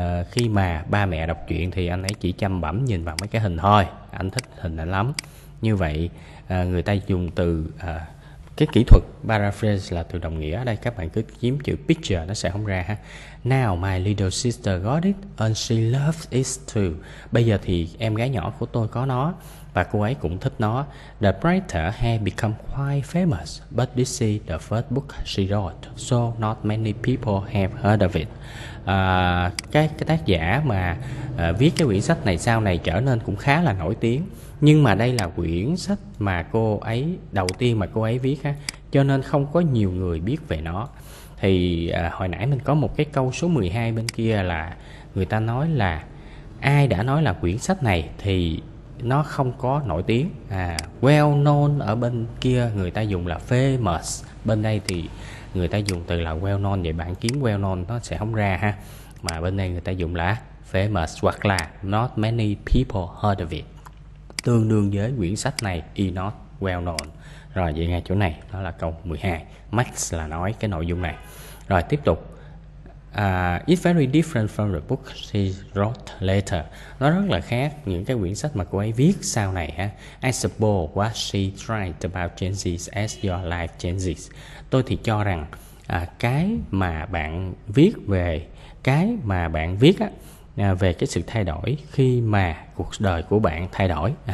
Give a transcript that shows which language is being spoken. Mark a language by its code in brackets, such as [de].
[vi] Khi mà ba mẹ đọc chuyện thì anh ấy chỉ chăm bẩm nhìn vào mấy cái hình thôi, anh thích hình ảnh lắm. Như vậy người ta dùng từ Cái kỹ thuật paraphrase là từ đồng nghĩa. Ở đây các bạn cứ kiếm chữ picture nó sẽ không ra ha. [en] Now my little sister got it and she loves it too. [vi] Bây giờ thì em gái nhỏ của tôi có nó và cô ấy cũng thích nó. [en] The writer had become quite famous, but this is the first book she wrote, so not many people have heard of it. [vi] Cái tác giả mà viết cái quyển sách này sau này trở nên cũng khá là nổi tiếng. Nhưng mà đây là quyển sách mà cô ấy đầu tiên mà cô ấy viết ha, cho nên không có nhiều người biết về nó. Thì hồi nãy mình có một cái câu số 12 bên kia là người ta nói là ai đã nói là quyển sách này thì nó không có nổi tiếng. Well known ở bên kia người ta dùng là famous, bên đây thì người ta dùng từ là well known. Vậy bạn kiếm well known nó sẽ không ra ha, mà bên đây người ta dùng là famous hoặc là [en] not many people heard of it, [vi] tương đương với quyển sách này [en] is not well known. [vi] Rồi vậy ngay chỗ này đó là câu 12, Max là nói cái nội dung này. Rồi tiếp tục. [en] It's very different from the book she wrote later. [vi] Nó rất là khác những cái quyển sách mà cô ấy viết sau này ha. [en] I suppose what she tried about changes as your life changes. [vi] Tôi thì cho rằng cái mà bạn viết về cái mà bạn viết á, về cái sự thay đổi khi mà cuộc đời của bạn thay đổi.